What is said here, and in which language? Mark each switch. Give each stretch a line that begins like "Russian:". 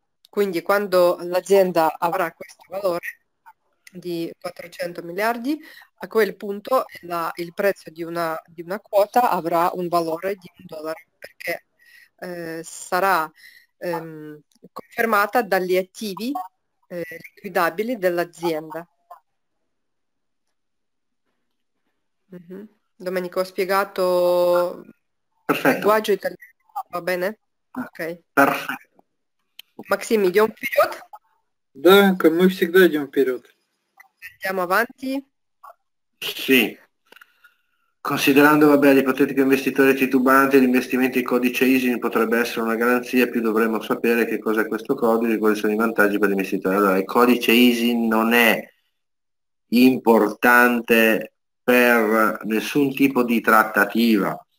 Italian: Quindi quando l'azienda avrà questo valore di 400 miliardi, a quel punto il prezzo di una quota avrà un valore di un dollaro, perché sarà confermata dagli attivi liquidabili dell'azienda. Mm-hmm. Domenico, ho spiegato... Perfetto. Linguaggio italiano, va bene? Ok. Perfetto.
Russian: Максим, идем вперед? Да, мы всегда идем вперед.
Italian: Andiamo avanti? Sì. Considerando, vabbè, l'ipotetico investitore titubante, l'investimento in codice ISIN potrebbe essere una garanzia, più dovremmo sapere che cos'è questo codice, quali sono i vantaggi per l'investitore. Allora, il codice ISIN non è importante per nessun tipo di trattativa.